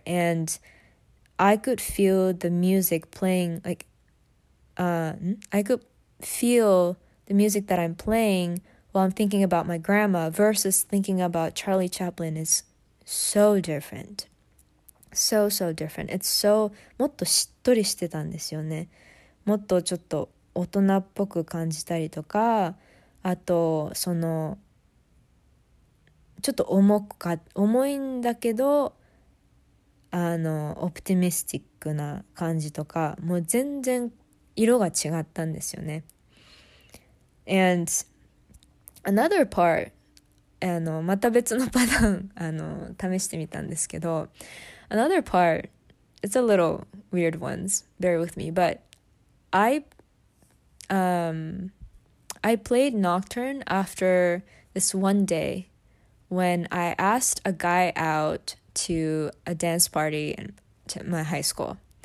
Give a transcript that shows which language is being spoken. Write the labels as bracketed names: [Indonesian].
[English] And I could feel the music playing, that I'm playing while I'm thinking about my grandma versus thinking about Charlie Chaplin is so different. So, so different. It's so, [Japanese] もっとしっとりしてたんですよね。もっとちょっと大人っぽく感じたりとか、あとその、ちょっと重くか、重いんだけど、あの、オプティミスティックな感じとか、もう全然色が違ったんですよね。 [English] And another part, [Japanese] また別のパターン、試してみたんですけど、 [English] another part, it's a little weird ones, bear with me, but I played Nocturne after this one day when I asked a guy out to a dance party in my high school.